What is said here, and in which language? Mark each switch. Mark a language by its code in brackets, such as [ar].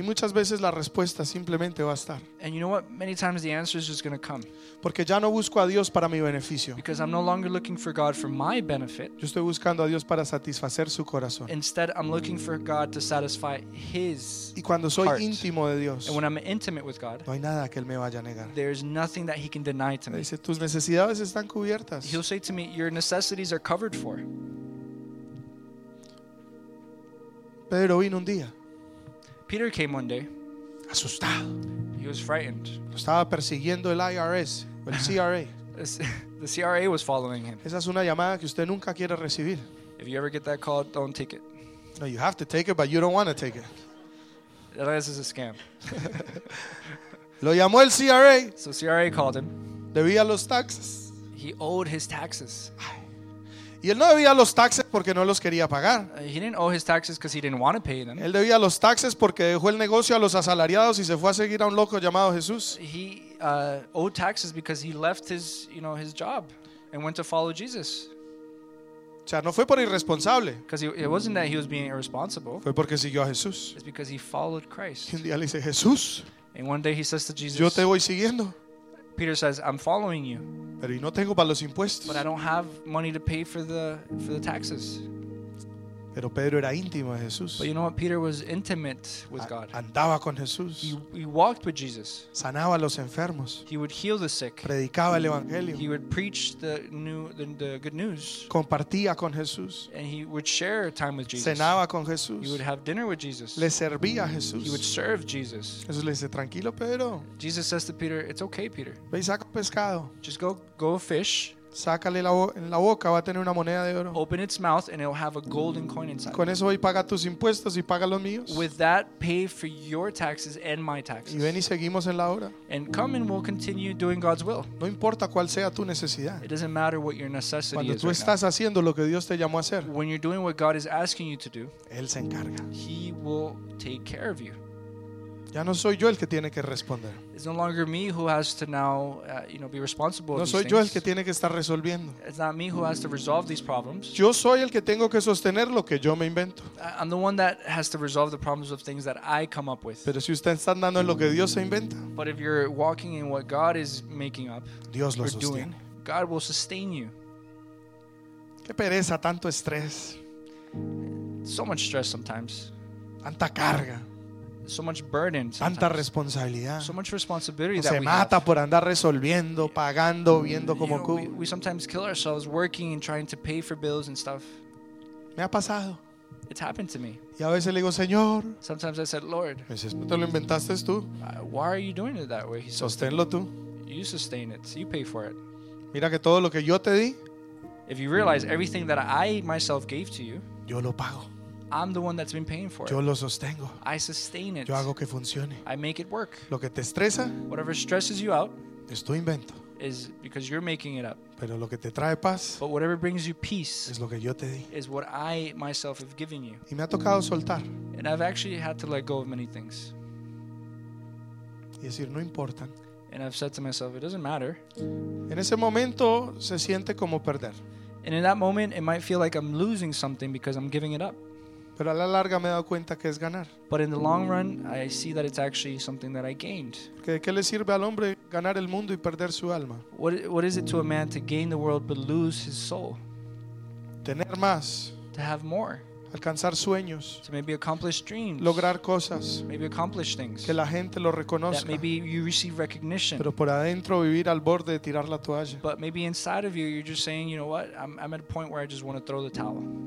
[es] Y muchas veces la respuesta simplemente va a estar. [en] And you know what? Many times the answer is just going to come. [es] Porque ya no busco a Dios para mi beneficio. [en] Because I'm no longer looking for God for my benefit. [es] Yo estoy buscando a Dios para satisfacer su corazón. [en] Instead, I'm looking for God to satisfy His [es] y cuando soy [en] heart. [es] Íntimo de Dios, [en] and when I'm intimate with God, [es] no hay nada que él me vaya a negar. [en] There's nothing that He can deny to me. [es] Dice, tus necesidades están cubiertas. [en] He'll say to me, your necessities are covered for. [es] Pedro vino un día. [en] Peter came one day. [es] Asustado. [en] He was frightened. [es] Lo estaba persiguiendo el IRS, el CRA. [en] The CRA was following him. [es] Esa es una llamada que usted nunca quiere recibir. [en] If you ever get that call, don't take it. No, you have to take it, but you don't want to take it. That is a scam. [es] Lo llamó el CRA. [en] So CRA called him. [es] Debía los taxes. [en] He owed his taxes. [es] Y él no debía los taxes porque no los quería pagar. [en] He didn't owe his taxes because he didn't want to pay them. [es] Él debía los taxes porque dejó el negocio a los asalariados y se fue a seguir a un loco llamado Jesús. [en] He owed taxes because he left his, you know, his job and went to follow Jesus. [es] O sea, no fue por irresponsable. [en] Because it wasn't that he was being irresponsible. [es] Fue porque siguió a Jesús. [en] It's because he followed Christ. [es] Y un día le dice, Jesús. [en] And one day he says to Jesus, [es] yo te voy siguiendo. [en] Peter says, I'm following you. [es] Pero y no tengo para los impuestos. [en] But I don't have money to pay for the taxes. [es] Pero Pedro era íntimo de Jesús. [en] But you know what? Peter was intimate with God. [es] Andaba con Jesús. [en] He walked with Jesus. [es] Sanaba a los enfermos. [en] He would heal the sick. [es] Predicaba el evangelio. [en] He would preach the good news. [es] Compartía con Jesús. [en] And he would share time with Jesus. [es] Cenaba con Jesús. [en] He would have dinner with Jesus. [es] Le servía a Jesús. [en] He would serve Jesus. [es] Jesús le dice, tranquilo, Pedro. [en] Jesus says to Peter, it's okay, Peter. [es] Ve y saca pescado. [en] Just go fish. [es] Sácale la boca, va a tener una moneda de oro. [en] Open its mouth and it'll have a golden coin inside. [es] Con eso voy a pagar tus impuestos y paga los míos. [en] With that, pay for your taxes and my taxes. [es] Y ven y seguimos en la obra. [en] And come and we'll continue doing God's will. [es] No importa cuál sea tu necesidad. [en] It doesn't matter what your necessity [es] cuando [en] is. [es] Cuando tú estás [en] right [es] haciendo lo que Dios te llamó a hacer. [en] When you're doing what God is asking you to do. [es] Él se encarga. [en] He will take care of you. [es] Ya no soy yo el que tiene que responder. [en] It's no longer me who has to now, you know, be responsible. [es] No soy yo el que tiene que estar resolviendo. [en] It's not me who has to resolve these problems. [es] Yo soy el que tengo que sostener lo que yo me invento. [en] I'm the one that has to resolve the problems of things that I come up with. [es] Pero si usted está andando en lo que Dios se inventa. [en] But if you're walking in what God is making up, [es] Dios lo sostiene. [en] God will sustain you. [es] Qué pereza, tanto estrés. [en] So much stress sometimes. [es] Tanta carga. [en] So much burden sometimes. [es] Tanta responsabilidad. [en] So much responsibility that we have. [es] Se mata por andar resolviendo, pagando, viendo cómo cubre. [en] We sometimes kill ourselves working and trying to pay for bills and stuff. [es] Me ha pasado. [en] It's happened to me. [es] Y a veces le digo, Señor. [en] Sometimes I said, Lord. [es] ¿Eso te lo inventaste tú? [en] Why are you doing it that way? [es] Sosténlo tú. [en] You sustain it. You pay for it. [es] Mira que todo lo que yo te di. [en] If you realize everything that I myself gave to you. [es] Yo lo pago. [en] I'm the one that's been paying for it. [es] Yo lo sostengo. [en] I sustain it. [es] Yo hago que funcione. [en] I make it work. [es] Lo que te estresa, [en] whatever stresses you out, [es] es tu invento. [en] Is because you're making it up. [es] Pero lo que te trae paz, [en] but whatever brings you peace, [es] es lo que yo te di. [en] Is what I myself have given you. [es] Y me ha tocado soltar. [en] And I've actually had to let go of many things. [es] Y decir, no importan. [en] And I've said to myself, it doesn't matter. [es] En ese momento se siente como perder. [en] And in that moment, it might feel like I'm losing something because I'm giving it up. [es] Pero a la larga me he dado cuenta que es ganar. [en] But in the long run, I see that it's actually something that I gained. [es] ¿Qué, qué le sirve al hombre ganar el mundo y perder su alma? [en] What is it to a man to gain the world but lose his soul? [es] Tener más. [en] To have more. [es] Alcanzar sueños. [en] To maybe accomplish dreams. [es] Lograr cosas. [en] Maybe accomplish things. [es] Que la gente lo reconozca. [en] That maybe you receive recognition. [es] Pero por adentro vivir al borde de tirar la toalla. [en] But maybe inside of you, you're just saying, you know what? I'm at a point where I just want to throw the towel.